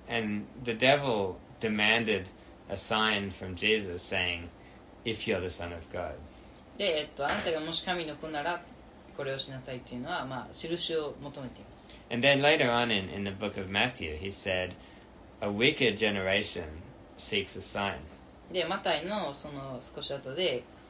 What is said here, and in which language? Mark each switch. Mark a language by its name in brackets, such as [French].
[English] And the devil demanded a sign from Jesus saying, If you're the son of God. [Japanese] で、あなたがもし神の子ならこれをしなさいというのは、まあ、印を求めています。 [English] And then later on in the book of Matthew, he said, A wicked generation seeks a sign. [Japanese] で、マタイのその少し後で、